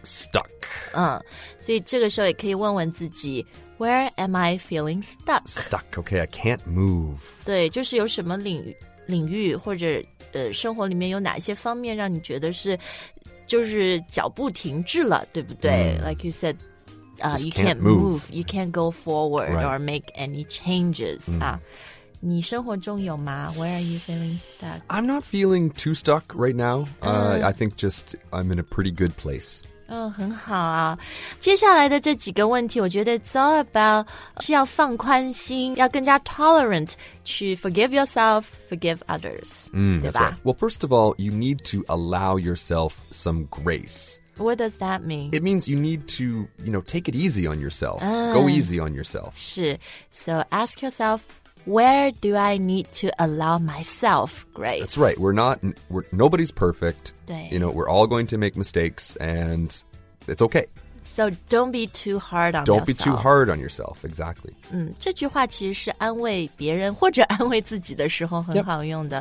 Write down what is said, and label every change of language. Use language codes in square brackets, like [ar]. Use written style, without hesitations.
[en] stuck [zh] 所以这个时候也可以问问自己 [en] where am I feeling stuck? Stuck, okay, I can't move [zh] 对就是有什么领域或者生活里面有哪些方面让你觉得是就是脚步停滞了对不对、mm. [en] Like you saidyou can't move, you can't go forward、 right. or make any changes.、Mm. [zh] 你生活中有吗? [en] Where are you feeling stuck? I'm not feeling too stuck right now.、I think just I'm in a pretty good place. [zh] 很好啊。接下来的这几个问题我觉得 [en] it's all about [zh] 是要放宽心要更加 tolerant 去 [en] forgive yourself, forgive others,、 mm, [zh] 对吧 [en] that's right. Well, first of all, you need to allow yourself some grace. What does that mean? It means you need to, you know, take it easy on yourself. Go easy on yourself. 是 So ask yourself, where do I need to allow myself grace? That's right. Nobody's perfect. [zh] 对 [en] You know, we're all going to make mistakes and it's okay. So don't be too hard on don't Don't be too hard on yourself. Exactly. [zh] 这句话其实是安慰别人或者安慰自己的时候很好用的。